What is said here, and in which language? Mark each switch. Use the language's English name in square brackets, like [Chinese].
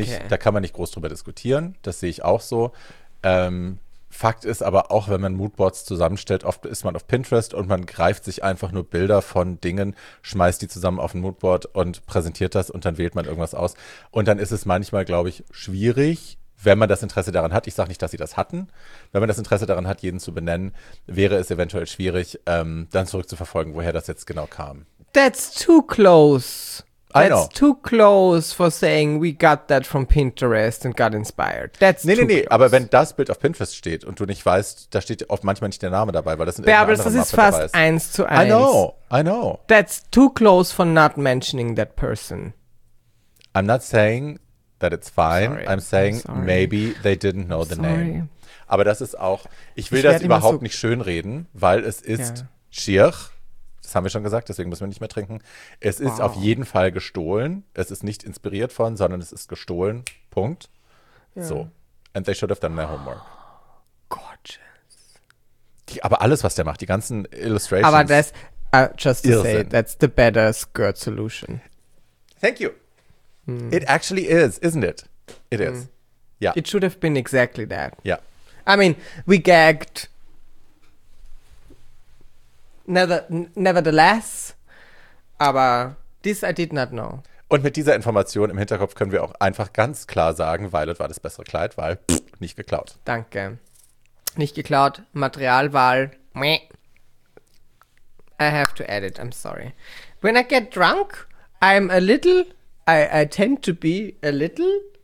[German] Da kann man nicht groß drüber diskutieren. Das sehe ich auch so. Fakt ist aber auch, wenn man Moodboards zusammenstellt, oft ist man auf Pinterest und man greift sich einfach nur Bilder von Dingen, schmeißt die zusammen auf ein Moodboard und präsentiert das und dann wählt man irgendwas aus. Und dann ist es manchmal, glaube ich, schwierig, wenn man das Interesse daran hat, ich sage nicht, dass sie das hatten, wenn man das Interesse daran hat, jeden zu benennen, wäre es eventuell schwierig, dann zurückzuverfolgen, woher das jetzt genau kam. [English] That's too close. I know. That's too close for saying we got that from Pinterest and got inspired. That's [German] nee, [English] too [German] nee, nee, [English] close. [German] Aber wenn das Bild auf Pinterest steht und du nicht weißt, da steht oft manchmal nicht der Name dabei, weil das sind irgendeine andere Mappe dabei ist. Babels, das ist fast 1:1. [English] I know. That's too close for not mentioning that person. I'm not saying that it's fine. Sorry. I'm saying sorry. Maybe they didn't know the sorry. Name. [German] Aber das ist auch, ich will das überhaupt nicht schönreden, weil es ist schier. Das haben wir schon gesagt, deswegen müssen wir nicht mehr trinken. Es ist auf jeden Fall gestohlen. Es ist nicht inspiriert von, sondern es ist gestohlen. Punkt. Yeah. So. [English] And they should have done their homework. Gorgeous. [German] Aber alles, was der macht, die ganzen Illustrations. Aber das, [English] just to say, that's the better skirt solution. Thank you. It actually is, isn't it? It is. Yeah. It should have been exactly that. Yeah. I mean, we gagged. Nevertheless, [German] aber [English] this I did not know. [German] Und mit dieser Information im Hinterkopf können wir auch einfach ganz klar sagen, Violet war das bessere Kleid, weil nicht geklaut. Danke. Nicht geklaut, Materialwahl. [English] I have to add it, I'm sorry. When I get drunk, I'm a little, I tend to be a little.